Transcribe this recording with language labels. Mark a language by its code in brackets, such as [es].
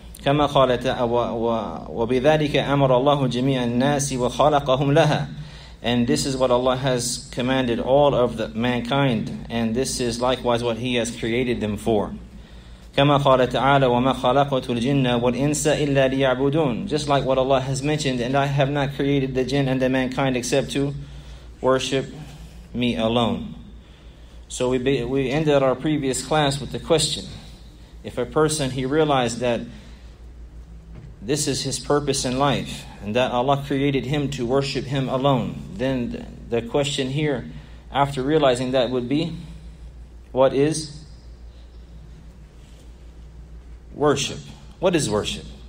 [ar] كما قال وبذلك أمر الله جميع الناس وخلقهم لها. [en] And this is what Allah has commanded all of the mankind, and this is likewise what He has created them for. [ar] كما قال تعالى وما خلقت الجن والإنس إلا ليعبدون. [en] Just like what Allah has mentioned, and I have not created the jinn and the mankind except to worship Me alone. So we ended our previous class with the question: if a person, he realized that this is his purpose in life, and that Allah created him to worship Him alone, then the question here, after realizing that, would be, what is worship? What is worship?